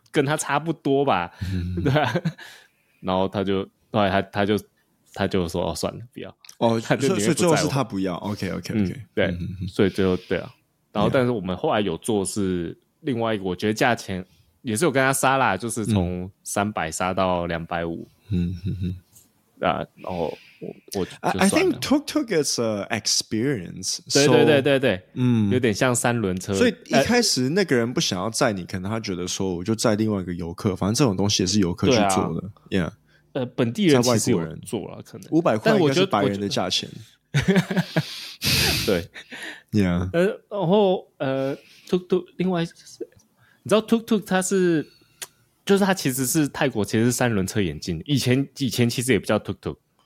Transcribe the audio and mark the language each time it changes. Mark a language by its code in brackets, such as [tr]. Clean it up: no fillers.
[zh] 跟他差不多吧，对吧、啊？然后他就后来他就他就说哦算了不要哦，他就所以最后是他不要 [en] OK OK OK、 [zh] 嗯、对、嗯、所以最后对啊，然后但是我们后来有做是另外一个、 [en] yeah. [zh] 我觉得价钱也是有跟他杀啦，就是从300杀到 250、嗯、然后我就算了 [en] I think Tuk Tuk is an experience [zh] 对对对对对、 [en] so, 嗯、 [zh] 有点像三轮车，所以一开始那个人不想要载你、可能他觉得说我就载另外一个游客，反正这种东西也是游客去做的、啊 [en] yeah. [zh] 本地人其实有人做了，可能 500块应该是白人的价钱对 [en] yeah. [zh] 然后Tuk Tuk 另外你知道 Tuk Tuk 它是就是它其实是泰国其实是三轮车眼镜，以前其实也不叫 Tuk Tuk